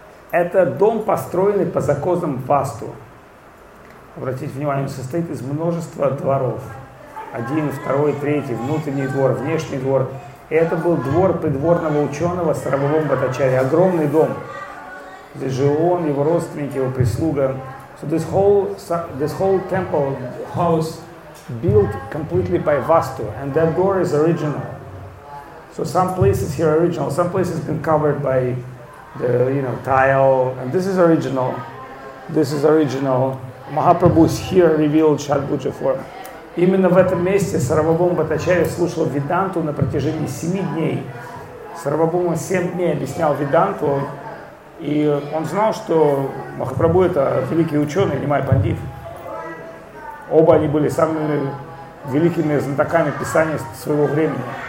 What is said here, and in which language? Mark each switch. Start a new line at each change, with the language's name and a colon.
Russian: Это дом, построенный по законам Васту. Обратите внимание, он состоит из множества дворов. Один, второй, третий, внутренний двор, внешний двор. И это был двор придворного ученого Сарвабхаума Бхаттачарьи. Огромный дом. Здесь жил он, его родственники, его прислуга.
English: So this whole temple house built completely by Vastu, and that door is original. So some places here are original, some places been covered by the, you know, tile, and this is original. This is original. Mahaprabhu is here revealed Shadbuja form.
Russian: Именно в этом месте Сарвабхаума Бхаттачарья слушал Веданту на протяжении 7 дней. Сарвабхаума 7 дней объяснял Веданту. И он знал, что Махапрабху – это великий ученый, немай пандит. Оба они были самыми великими знатоками писания своего времени.